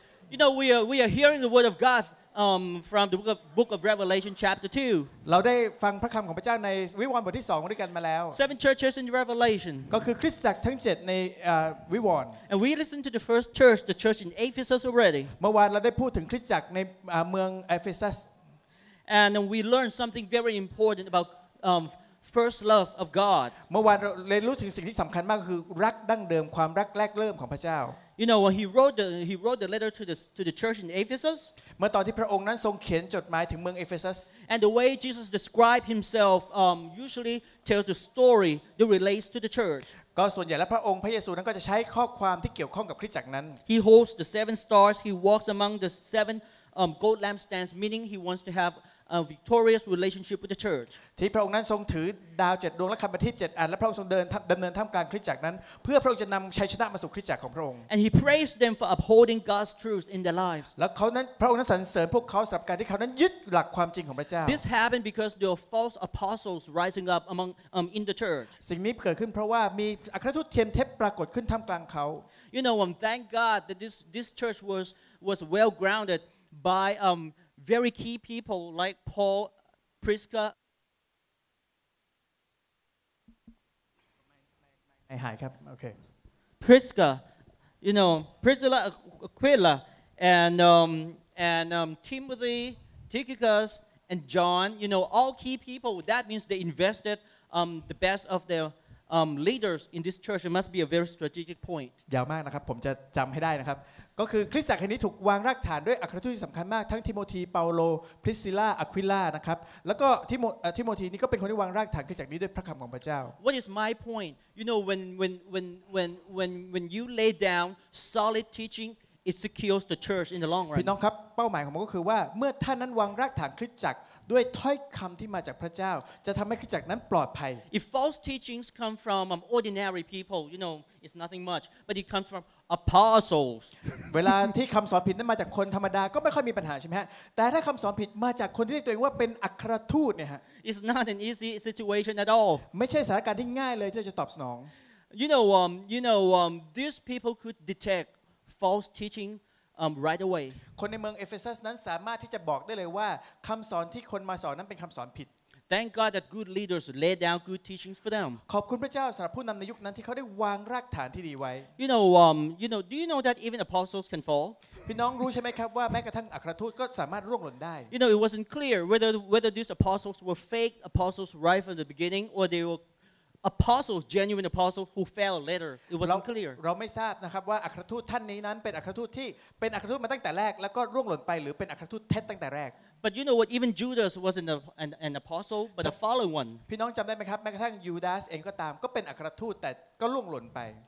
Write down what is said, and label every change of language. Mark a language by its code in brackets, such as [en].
[en] You know, we are hearing the word of God from the book of Revelation chapter 2. [th] เราได้ฟังพระคำของพระเจ้าในวิวรณ์บทที่2ด้วยกันมาแล้ว [en] Seven churches in Revelation. [th] ก็คือคริสตจักรทั้ง7ในวิวรณ์ [en] And we listened to the first church, the church in Ephesus already. [th] เมื่อวานเราได้พูดถึงคริสตจักรในเมืองเอเฟซัส [en] And we learned something very important about first love of God. [th] เมื่อวานเราเรียนรู้ถึงสิ่งที่สำคัญมากคือรักดั้งเดิมความรักแรกเริ่มของพระเจ้า [en] You know when he wrote the letter to the church in Ephesus. [th] เมื่อตอนที่พระองค์นั้นทรงเขียนจดหมายถึงเมืองเอเฟซัส [en] And the way Jesus described himself usually tells the story that relates to the church. [th] ก็ส่วนใหญ่แล้วพระองค์พระเยซูนั้นก็จะใช้ข้อความที่เกี่ยวข้องกับคริสตจักรนั้น [en] He holds the seven stars. He walks among the seven gold lampstands, meaning he wants to have a victorious relationship with the church. [th] ที่พระองค์นั้นทรงถือดาวเจ็ดดวงและคำประทีปเจ็ดอันและพระองค์ทรงเดินดำเนินท่ามกลางคริสตจักรนั้นเพื่อพระองค์จะนำชัยชนะมาสู่คริสตจักรของพระองค์ [en] And he prays them for upholding God's truth in their lives. [th] และเขานั้นพระองค์นั้นสรรเสริญพวกเขาสำหรับการที่เขานั้นยึดหลักความจริงของพระเจ้า [en] This happened because there were false apostles rising up among in the church. [th] สิ่งนี้เกิดขึ้นเพราะว่ามีอัครทูตเทียมเทพปรากฏขึ้นท่ามกลางเขา [en] You know, thank God that this church was well grounded by very key people like Paul, Prisca. Hi, ครับ Okay. Prisca, you know, Priscilla, Aquila, and Timothy, Tychicus, and John. You know, all key people. That means they invested the best of their leaders in this church. It must be a very strategic point. [th] ยาวมากนะครับผมจะจำให้ได้นะครับก็คือคริสตจักรแห่งนี้ถูกวางรากฐานด้วยอัครทูตที่สำคัญมากทั้งทิโมธีเปาโลพริสซิล่าอควิล่านะครับแล้วก็ทิโมธีนี่ก็เป็นคนที่วางรากฐานคริสตจักรนี้ด้วยพระคำของพระเจ้า [en] What is my point? You know when you lay down solid teaching it secures the church in the long run [th] พี่น้องครับเป้าหมายของผมก็คือว่าเมื่อท่านนั้นวางรากฐานคริสตจักรด้วยถ้อยคำที่มาจากพระเจ้าจะทำให้คริสตจักรนั้นปลอดภัย [en] If false teachings come from ordinary people you know it's nothing much but it comes fromApostles. [th] เวลาที่คำสอนผิดนั้นมาจากคนธรรมดาก็ไม่ค่อยมีปัญหาใช่ไหมฮะแต่ถ้าคำสอนผิดมาจากคนที่ตัวเองว่าเป็นอัครทูตเนี่ยฮะ [en] It's not an easy situation at all. [th] ไม่ใช่สถานการณ์ที่ง่ายเลยที่จะตอบสนอง [en] You know, these people could detect false teaching right away. [th] คนในเมืองเอเฟซัสนั้นสามารถที่จะบอกได้เลยว่าคำสอนที่คนมาสอนนั้นเป็นคำสอนผิด [en] Thank God that good leaders laid down good teachings for them. [th] ขอบคุณพระเจ้าสำหรับผู้นำในยุคนั้นที่เขาได้วางรากฐานที่ดีไว้ [en] Do you know that even apostles can fall? [th] พี่น้องรู้ใช่ไหมครับว่าแม้กระทั่งอัครทูตก็สามารถร่วงหล่นได้ [en] You know, it wasn't clear whether these apostles were fake apostles right from the beginning or they were apostles, genuine apostles who fell later. It wasn't clear. [th] เราไม่ทราบนะครับว่าอัครทูตท่านนี้นั้นเป็นอัครทูตที่เป็นอัครทูตมาตั้งแต่แรกแล้วก็ร่วงหล่นไปหรือเป็นอัครทูตเท็จตั้งแต่แรก [en] But you know what? Even Judas wasn't an apostle, but a fallen one. [th] พี่น้องจำได้ไหมครับแม้กระทั่งยูดาสเองก็ตามก็เป็นอัครทูตแต่ก็ล่วงหล่นไป